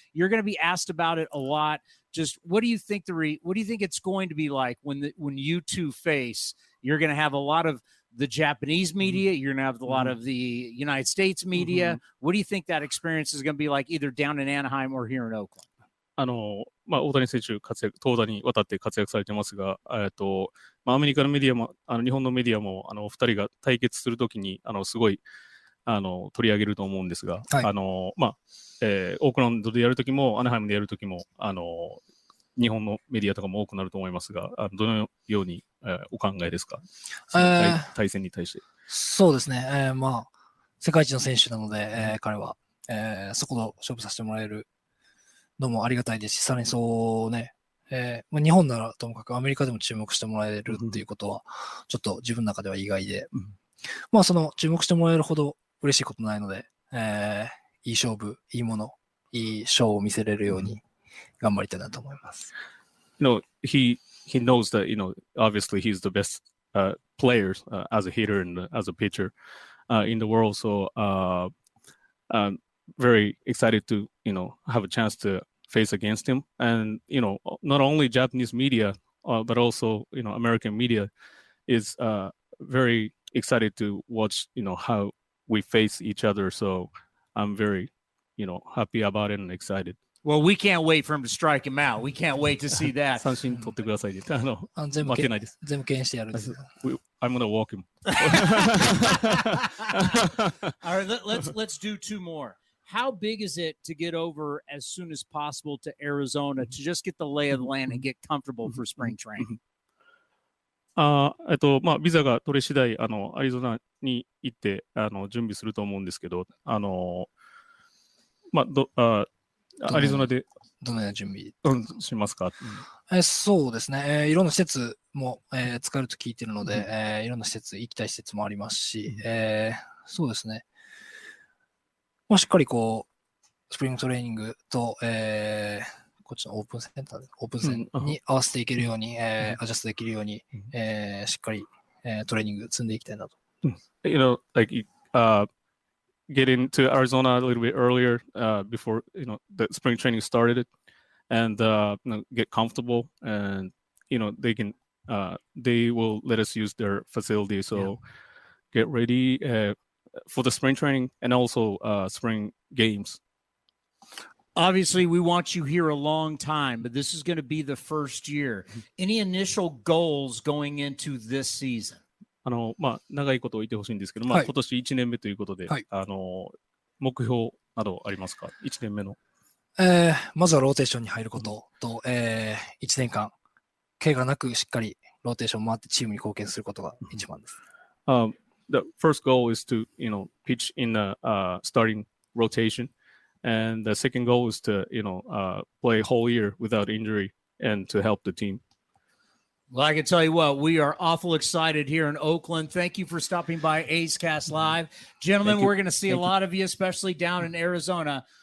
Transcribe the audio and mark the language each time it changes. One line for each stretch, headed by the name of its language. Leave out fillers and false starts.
English: You're going to be asked about it a lot. Just what do you think what do you think it's going to be like when you two face? You're going to have a lot of the Japanese media. Mm-hmm. You're going to have a lot of the United States media. Mm-hmm. What do you think that experience is going to be like either down in Anaheim or here in Oakland?
Japanese: まあ、大谷選手活躍、投打にわたって活躍されてますが、まあ、アメリカのメディアも、日本のメディアも、お二人が対決するときに、すごい、取り上げると思うんですが、はい、まあ、オークランドでやるときも、アナハイムでやるときも、日本のメディアとかも多くなると思いますが、どのように、お考えですか？対戦に対して。そうですね、まあ、世界一の選手なので、彼は、そこと勝負させてもらえる。どうもありがたいですし、さらにそうね、まあ、日本ならともかくアメリカでも注目してもらえるっていうことは、ちょっと自分の中では意外で、うん、まあその注目してもらえるほど嬉しいことないので、いい勝負、いいもの、いいショーを見せれるように頑張りたいなと思います。
English: No, he knows that, you know, obviously he's the best, player, as a hitter and as a pitcher, in the world, so, very excited to, you know, have a chance to face against him. And, you know, not only Japanese media, but also, you know, American media is very excited to watch, you know, how we face each other. So I'm very, you know, happy about it and excited. Well, we can't wait for him to strike him out. We can't wait to see that.
Japanese: 三振取ってくださいです。負けないです。全部検してやるんです。
English: I'm going to walk him. All right, let's do two more. How big is it to get over as soon as possible to Arizona to just get the lay of the land and get comfortable for spring training?
Japanese: まあ、ビザが取れ次第、アリゾナに行って、準備すると思うんですけど、まあ、アリゾナで。どのような準備しますか？そうですね。いろんな施設も、使えると聞いてるので、いろんな施設、行きたい施設もありますし、そうですね。まあ、しっかりこう、スプリングトレーニングと、こっちのオープンセンターで、オープン戦に合わせていけるように、アジャストできるように、しっかり、トレーニング積んでいきたいなと。
English: You know, like, getting to Arizona a little bit earlier, before, you know, the spring training started, and, you know, get comfortable, and, you know, they can, they will let us use their facility, so get ready, for the spring training and also spring games. obviously, we want you here a long time, but this is going to be the first year. Any initial goals going into this season?
Japanese: あの、まあ、長いことを言ってほしいんですけど、まあ、今年1年目ということで、あの、目標などありますか ?1 年目の。まずはローテーションに入ることと、1年間、怪我なくしっかりローテーション回ってチームに貢献することが一番です。
English: The first goal is to, you know, pitch in the starting rotation. And the second goal is to, you know, play whole year without injury and to help the team. Well, I can tell you what, we are awful excited here in Oakland. Thank you for stopping by A's Cast Live. Gentlemen, we're going to see a lot of you, especially down in Arizona.